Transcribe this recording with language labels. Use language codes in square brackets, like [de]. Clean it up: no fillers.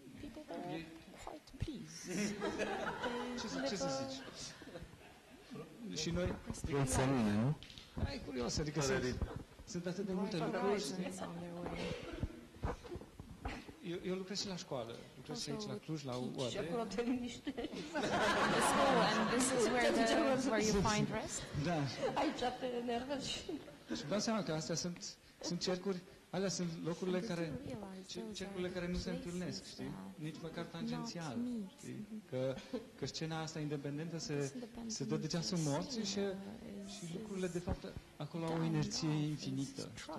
[en] People are quite pleased. [ro] Ce să zici? Și noi... Rânță mine, nu? E curios, adică sunt atât de multe lucruri. Eu lucrez și la școală. Lucrez și aici, la Cluj, la UAD. Și acolo te liniștești. [en] The school, and this is where you find rest? [ro] Da. Aici te enervezi. Și dau seama că astea sunt cercuri. Alea sunt locurile care, cercurile care nu se întâlnesc, știi? Nici măcar tangențial, știi? Că scena asta independentă se dă de ceasul morții și lucrurile, de fapt, acolo au o inerție infinită.